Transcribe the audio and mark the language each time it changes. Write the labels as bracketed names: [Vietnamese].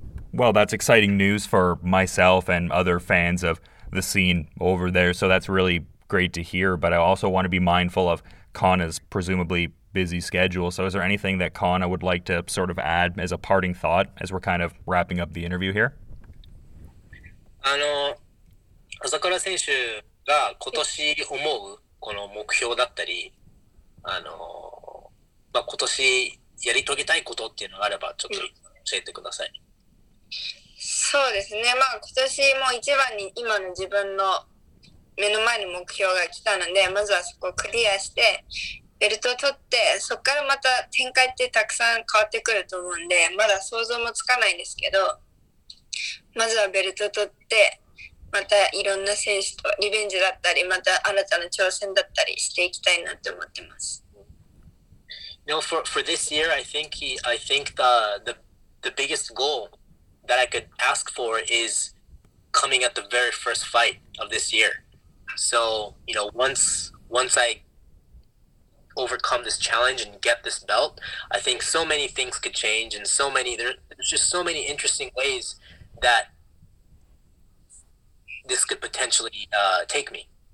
[English] Well, that's exciting news for myself and other fans of the scene over there. So that's really great to hear. But I also want to be mindful of Kana's presumably busy schedule. So is there anything that Kana would like to sort of add as a parting thought as we're kind of wrapping up the interview here? [Japanese] あの、朝倉選手が今年思うこの目標だったり、あの、まあ、今年やり遂げたいことっていうのがあればちょっと教えてください。そうですね、まあ、今年も一番に今の自分の目の前の目標が来たので、まずはそこをクリアしてベルトを取って、そこからまた展開ってたくさん変わってくると思うんで、まだ想像もつかないんですけど、まずはベルト取って、またいろんな選手とリベンジだったり、また新たな挑戦だったりしていきたいなって思ってます。 [English] No, for this year, I think the biggest goal that I could ask for is coming at the very first fight of this year. So, you know, once I overcome this challenge and get this belt, I think so many things could change, and so many, there's just so many interesting ways that this could potentially take me.